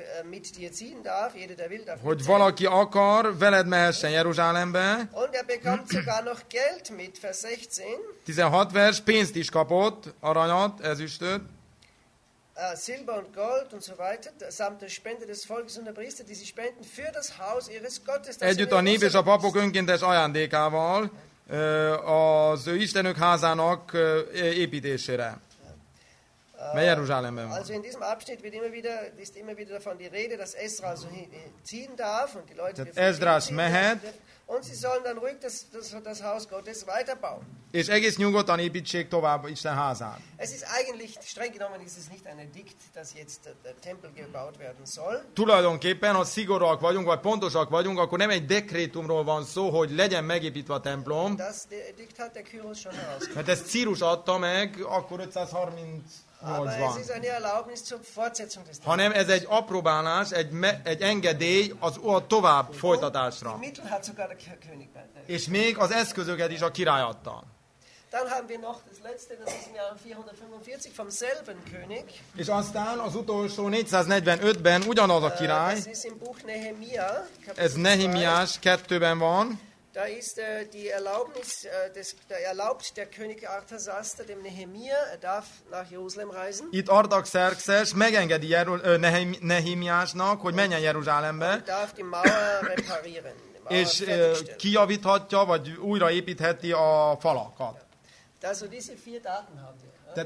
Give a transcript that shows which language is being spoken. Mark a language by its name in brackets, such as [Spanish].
[German] Mit dir ziehen darf, jeder, der will, darf [Hungarian] hogy mit valaki [German] ziehen. [Hungarian] Akar, veled mehessen Jeruzsálembe. [German] Und er bekommt sogar noch Geld mit, Vers 16. [Hungarian] 16 vers, pénzt is kapott, aranyat, ezüstöt. [German] Silber und Gold und so weiter, samt der Spende des Volkes und der Priester, die sie spenden für das Haus ihres Gottes. [Hungarian] Együtt a nép és a papok önkéntes ajándékával az Istenük házának építésére. Mely Jeruzsálemben van. [German] Also in diesem Abschnitt ist immer wieder davon die Rede, dass Esra so ziehen darf und die Leute [Hungarian] Esdrás mehet. [German] Und sie sollen dann ruhig das Haus Gottes weiterbauen. [Hungarian] És egész nyugodtan építsék tovább Isten házát. [German] Es ist eigentlich streng genommen ist es nicht ein Edikt, dass jetzt der Tempel gebaut werden soll. [Hungarian] Tulajdonképpen, ha szigorúak vagyunk, vagy pontosak vagyunk, akkor nem egy dekrétumról van szó, hogy legyen megépítve a templom. [German] Das Edikt hat der Kyros schon herausgegeben. [Hungarian] Mert ezt Círus adta meg, akkor 538-ban. [German] Aber es ist eine Erlaubnis zur Fortsetzung des Templums. [Hungarian] Hanem ez egy apróbálás, egy engedély az a tovább folytatásra. [German] Mittel hat sogar der König. [Hungarian] És még az eszközöket is a király adta. [German] Dann haben wir noch das letzte, das ist im Jahr 445 vom selben König. [Hungarian] És aztán az utolsó 445-ben ugyanaz a király. [German] Das ist im Buch Nehemia. [Hungarian] Ez Nehemiás 2-ben van. [German] Da ist die Erlaubnis, da erlaubt der König Artaxerxes dem Nehemia, er darf nach Jeruzsálem reisen. [Hungarian] Itt Artaxerxes megengedi Nehemiásnak, hogy menjen Jeruzsálembe. [German] Er darf die Mauer reparieren. [Hungarian] És kijavíthatja, vagy újraépítheti a falakat. [German] Also diese vier Daten haben wir.